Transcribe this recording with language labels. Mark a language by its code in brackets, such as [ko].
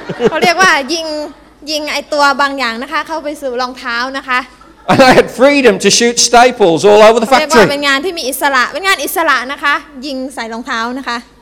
[th] เขาเรียกว่ายิงไอตัวบางอย่างนะคะเข้าไปสู่รองเท้านะคะ [en] And I had freedom to shoot staples all over the factory. [th] เรียกว่าเป็นงานที่มีอิสระเป็นงานอิสระนะคะยิงใส่รองเท้านะคะ